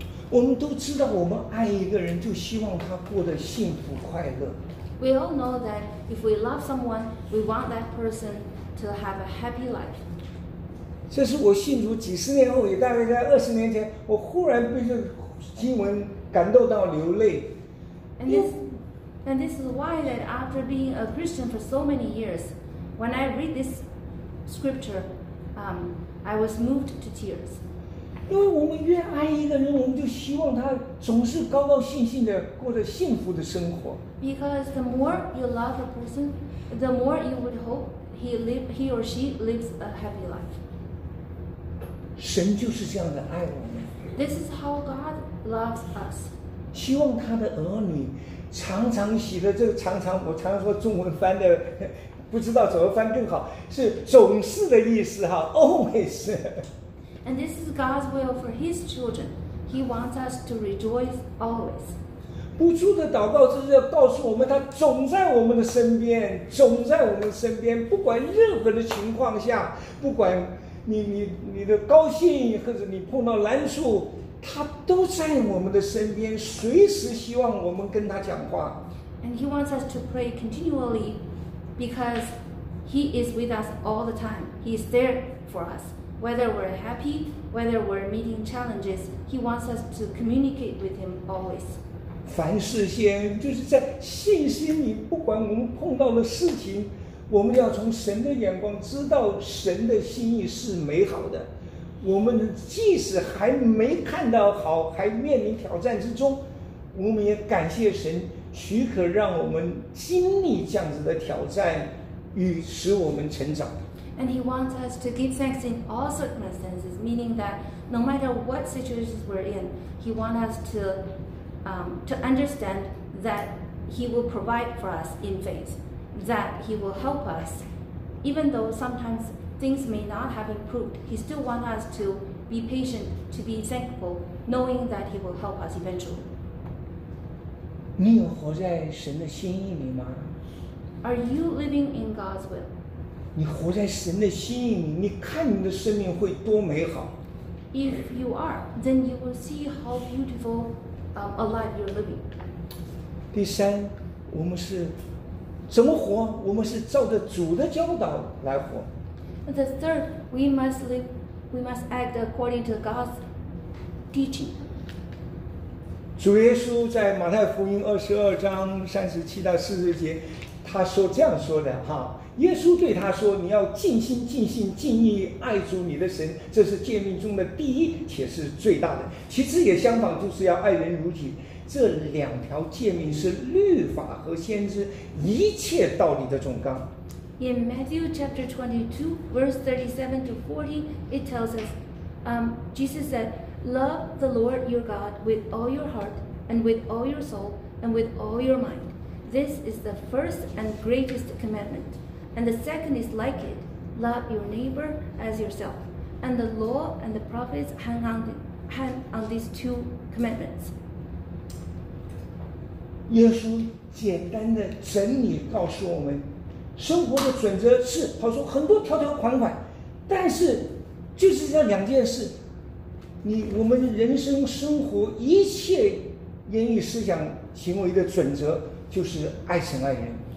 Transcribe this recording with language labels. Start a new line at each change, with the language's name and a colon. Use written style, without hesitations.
Chinese: 我们都知道，我们爱一个人，就希望他过得幸福快乐。
English: We all know that if we love someone, we want that person to have a happy life.
Chinese: 这是我信主几十年后，也大概在20年前，我忽然被这经文感动到流泪。
English: And this is why that after being a Christian for so many years, when I read this scripture, I was moved to tears.
Chinese: 因为我们越爱一个人，我们就希望他总是高高兴兴的过着幸福的生活。
English: Because the more you love a person, the more you would hope he or she lives a happy life.
Chinese: 神就是这样的爱我们。
English: This is how God loves us.
Chinese: 希望他的儿女常常喜乐，这个常常我常说中文翻的不知道怎么翻更好，是总是的意思哈 ，always。
English: And this is God's will for His children. He wants us to rejoice always.
Chinese: 不住的祷告就是要告诉我们，他总在我们的身边，总在我们的身边，不管任何的情况下，不管你的高兴或者你碰到难处，他都在我们的身边，随时希望我们跟他讲话。
English: And He wants us to pray continually, because He is with us all the time. He is there for us. Whether we're happy, whether we're meeting challenges, He wants us to communicate with Him always.
Chinese: 凡事先，就是在信心里，不管我们碰到的事情，我们要从神的眼光知道神的心意是美好的。我们即使还没看到好，还面临挑战之中，我们也感谢神许可让我们经历这样子的挑战，与使我们成长。
English: And He wants us to give thanks in all circumstances, meaning that no matter what situations we're in, He wants us to understand that He will provide for us in faith, that He will help us. Even though sometimes things may not have improved, He still wants us to be patient, to be thankful, knowing that He will help us eventually.
Chinese: 你有活在神的心意里吗？
English: Are you living in God's will?
Chinese: 你活在神的心意里，你看你的生命会多美好。
English: If you are, then you will see how beautiful a life you're living.
Chinese: 第三，我们是怎么活？我们是照着主的教导来活。
English: The third, we must act according to God's teaching.
Chinese: 主耶稣在马太福音22:37-40，他说这样说的哈。耶稣对他说，你要尽心尽性尽意爱主你的神，这是诫命中的第一且是最大的，其次也相仿，就是要爱人如己。这两条诫命是律法和先知一切道理的总纲。
English: In Matthew chapter 22:37-40 it tells us, Jesus said, love the Lord your God with all your heart and with all your soul and with all your mind. This is the first and greatest commandmentAnd the second is like it, love your neighbor as yourself. And the law and the prophets hang on these two commandments.
Chinese: 耶稣简单的整理告诉我们，生活的准则是，他说很多条条款款，但是就是这两件事，你我们人生生活一切言语思想行为的准则就是爱神爱人。